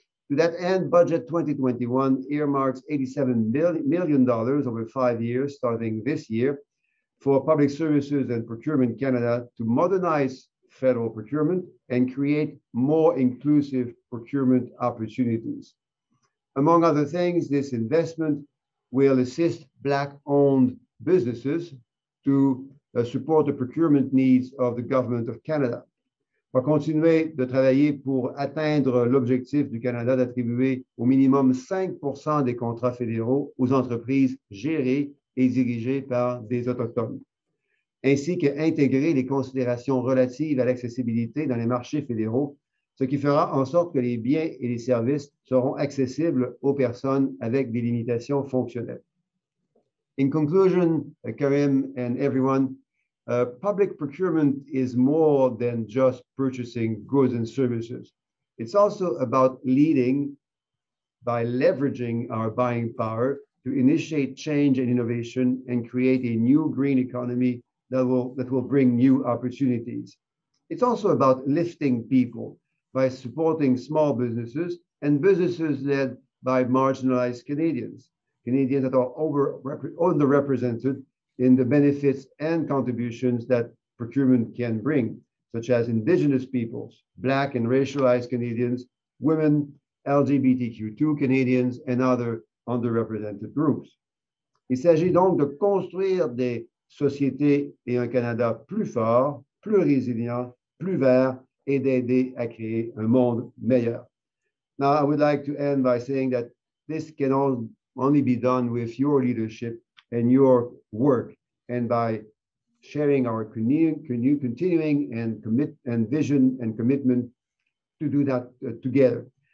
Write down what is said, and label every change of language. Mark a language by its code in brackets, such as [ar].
[en] To that end, Budget 2021 earmarks $87 million over 5 years, starting this year, for Public Services and Procurement Canada to modernize federal procurement and create more inclusive procurement opportunities. Among other things, this investment will assist Black-owned businesses to support the procurement needs of the Government of Canada. [fr] Pour continuer de travailler pour atteindre l'objectif du Canada d'attribuer au minimum 5% des contrats fédéraux aux entreprises gérées et dirigées par des autochtones, ainsi que intégrer les considérations relatives à l'accessibilité dans les marchés fédéraux, ce qui fera en sorte que les biens et les services seront accessibles aux personnes avec des limitations fonctionnelles. [en] In conclusion, Karim and everyone, public procurement is more than just purchasing goods and services. It's also about leading by leveraging our buying power to initiate change and innovation and create a new green economy that will bring new opportunities. It's also about lifting people by supporting small businesses and businesses led by marginalized Canadians, Canadians that are underrepresented in the benefits and contributions that procurement can bring, such as Indigenous peoples, Black and racialized Canadians, women, LGBTQ2 Canadians, and other underrepresented groups. [fr] Il s'agit donc de construire des sociétés et un Canada plus fort, plus résilient, plus vert, et d'aider à créer un monde meilleur. [en] Now, I would like to end by saying that this can only be done with your leadership and your work, and by sharing our continuing and commit and vision and commitment to do that together.